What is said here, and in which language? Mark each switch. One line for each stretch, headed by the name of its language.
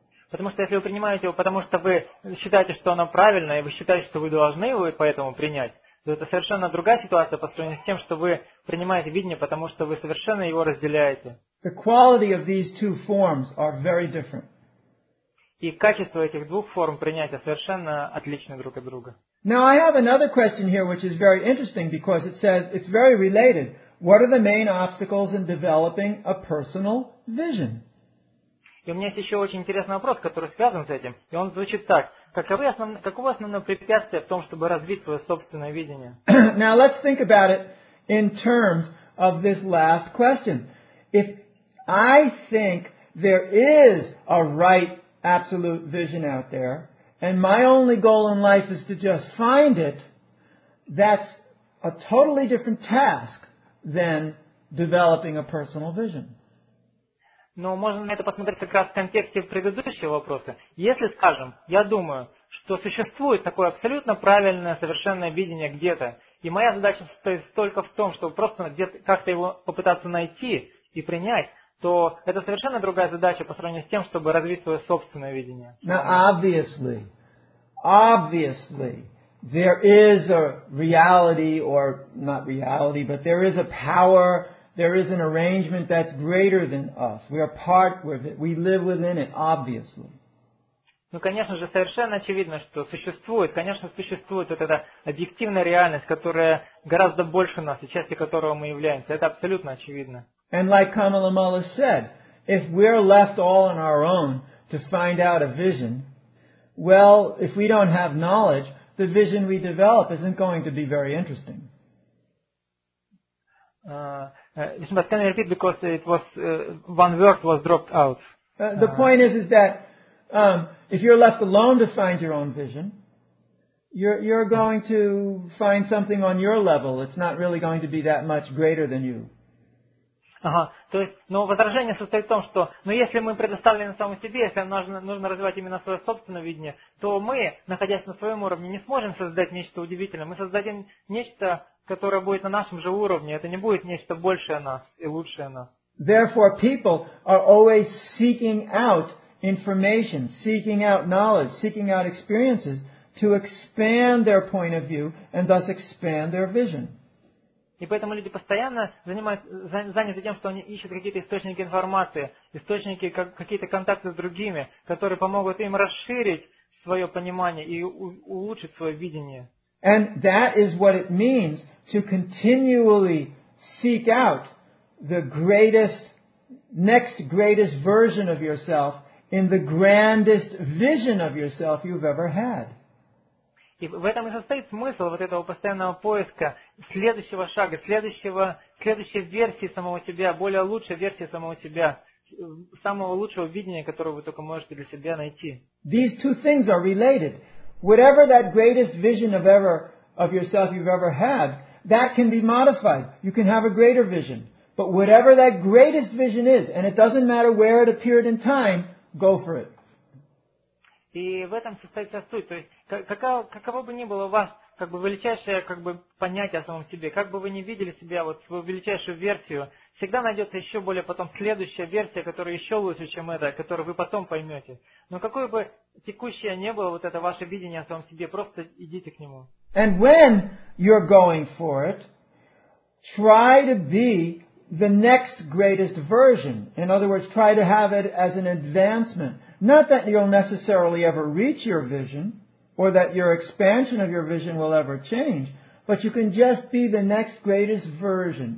Russian: Потому что если вы принимаете его, потому что вы считаете, что оно правильно, и вы считаете, что вы должны его поэтому принять, это совершенно другая ситуация по сравнению с тем, что вы принимаете видение, потому что вы совершенно его разделяете.
English: The quality of these two forms are very different.
Russian: И качество этих двух форм принятия совершенно отличны друг от друга.
English: Now I have another question here, which is very interesting, because it says it's very related. What are the main obstacles in developing a personal vision?
Russian: И у меня есть еще очень интересный вопрос, который связан с этим, и он звучит так. Каково основное препятствие в том, чтобы развить свое собственное видение?
English: Now let's think about it in terms of this last question. If I think there is a right absolute vision out there, and my only goal in life is to just find it, that's a totally different task than developing a personal vision.
Russian: Но можно на это посмотреть как раз в контексте предыдущего вопроса. Если, скажем, я думаю, что существует такое абсолютно правильное, совершенное видение где-то, и моя задача состоит только в том, чтобы просто где-то как-то его попытаться найти и принять, то это совершенно другая задача по сравнению с тем, чтобы развить свое собственное видение.
English: Now, obviously, there is a reality, or not reality, but there is a power. There is an arrangement that's greater than us. We are part of it. We live within it, obviously.
Russian: Ну, конечно же, совершенно очевидно, что существует, конечно, существует вот эта объективная реальность, которая гораздо больше нас, и частью которого мы являемся. Это абсолютно очевидно.
English: And like Kamala Mullis said, if we're left all on our own to find out a vision, well, if we don't have knowledge, the vision we develop isn't going to be very interesting. But can I repeat, because it was one word was dropped out. The point is that if you're left alone to find your own vision, you're going to find something on your level. It's not really going to be that much greater than you.
Russian: Ага, то есть, но возражение состоит в том, что, ну, если мы предоставлены самому себе, если нам нужно развивать именно свое собственное видение, то мы, находясь на своем уровне, не сможем создать нечто удивительное. Мы создадим нечто, которое будет на нашем же уровне. Это не будет нечто большее нас и лучшее нас.
English: Therefore, people are always seeking out information, seeking out knowledge, seeking out experiences to expand their point of view and thus expand their vision.
Russian: И поэтому люди постоянно заняты тем, что они ищут какие-то источники информации, источники, какие-то контакты с другими, которые помогут им расширить свое понимание и улучшить свое видение.
English: And that is what it means to continually seek out the greatest, next greatest version of yourself in the grandest vision of yourself you've ever had.
Russian: И в этом и состоит смысл вот этого постоянного поиска следующего шага, следующей версии самого себя, более лучшей версии самого себя, самого лучшего видения, которое вы только можете для себя найти.
English: These two things are related. Whatever that greatest vision of yourself you've ever had, that can be modified. You can have a greater vision. But whatever that greatest vision is, and it doesn't matter where it appeared in time, go for it.
Russian: И в этом состоит вся суть. То есть, каково бы ни было у вас как бы величайшее как бы понятие о самом себе, как бы вы ни видели себя, вот свою величайшую версию, всегда найдется еще более потом следующая версия, которая еще лучше, чем эта, которую вы потом поймете. Но какое бы текущее ни было, вот это ваше видение о самом себе, просто идите к нему.
English: And when you're going for it, try to be the next greatest version. In other words, try to have it as an advancement. Not that you'll necessarily ever reach your vision, or that your expansion of your vision will ever change, but you can just be the next greatest version.